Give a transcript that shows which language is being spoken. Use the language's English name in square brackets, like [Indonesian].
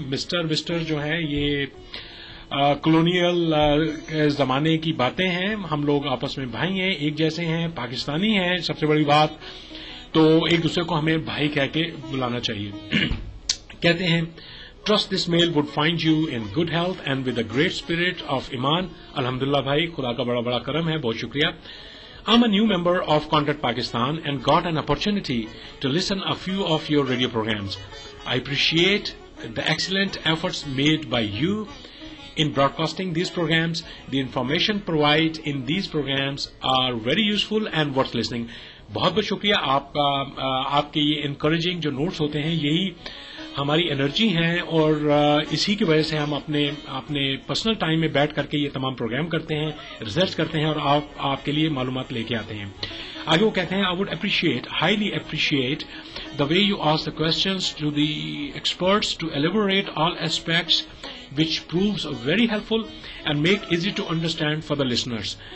[Urdu] Mister وسٹر جو ہیں یہ کلونیل زمانے کی باتیں ہیں، ہم لوگ آپس میں بھائی ہیں، ایک جیسے ہیں، پاکستانی ہیں سب سے بڑی بات، تو ایک دوسرے کو ہمیں بھائی کہہ کے بلانا چاہیے. کہتے ہیں [English] Trust this mail would find you in good health and with a great spirit of ایمان. [Urdu] الحمدللہ بھائی, خدا کا بڑا بڑا کرم ہے, بہت شکریہ. [English] I'm a new member of Contact Pakistan and got an opportunity to listen a few of your radio programs. I appreciate the excellent efforts made by you in broadcasting these programs. The information provided in these programs are very useful and worth listening. [Urdu] بہت بہت شکریہ آپ کا. آپ کے یہ encouraging جو notice ہوتے ہیں یہی ہماری انرجی ہیں, اور اسی کی وجہ سے ہم اپنے پرسنل ٹائم میں بیٹھ کر کے یہ تمام پروگرام کرتے ہیں, ریسرچ کرتے ہیں, اور آپ کے لیے معلومات لے کے آتے ہیں. آگے وہ کہتے ہیں [English] I would appreciate, highly appreciate the way you ask the questions to the experts to elaborate all aspects which proves very helpful and make easy to understand for the listeners.